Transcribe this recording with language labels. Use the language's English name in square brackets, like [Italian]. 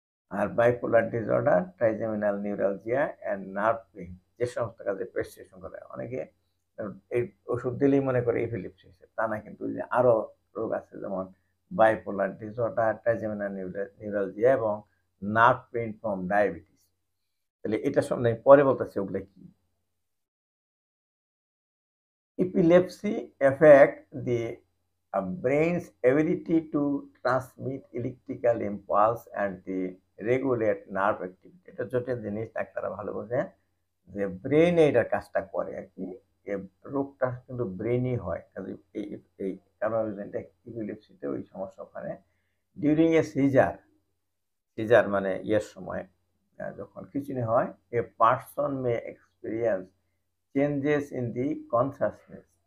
[Bangla] আর bipolar disorder trigeminal neuralgia and nerve pain যে সমস্ত কাজে প্রেসক্রিপশন করে, অনেকে এই ওষুধ দিলেই মনে করে ইপিলেপসি হয়েছে তা না, কিন্তু যে আরও রোগ আছে যেমন বাইপোলার ডিসঅর্ডার ট্রাইজেমিনাল নিউরালজিয়া এবং নার্ভ পেইন ফ্রম ডায়াবেটিস, তাহলে এটা সম্বন্ধে পরে বলতেছে ওগুলো কি। [English] Epilepsy affects the brain's ability to transmit electrical impulse and the regulate nerve activity. [Bangla] এটা জটিল জিনিস ডাক্তাররা ভালো বোঝে যে ব্রেন এটা কাজটা করে আর কি রোগটা কিন্তু ব্রেনই হয় এই কারণটা ইপিলেপসিতে ওই সমস্যা ওখানে [English] during a seizure seizure [Bangla] মানে ইয়ের সময় যখন কিচুনি হয় [English] a person may experience changes in the consciousness